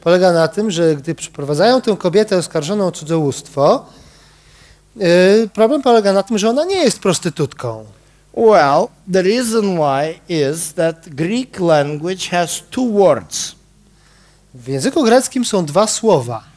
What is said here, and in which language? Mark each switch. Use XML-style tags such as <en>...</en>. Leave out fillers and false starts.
<pl>Polega na tym, że gdy przyprowadzają tę kobietę oskarżoną o cudzołóstwo, problem polega na tym, że ona nie jest prostytutką.</pl> <en>Well, the reason why is that Greek language has two words.</en> <pl>W języku greckim są dwa słowa.</pl>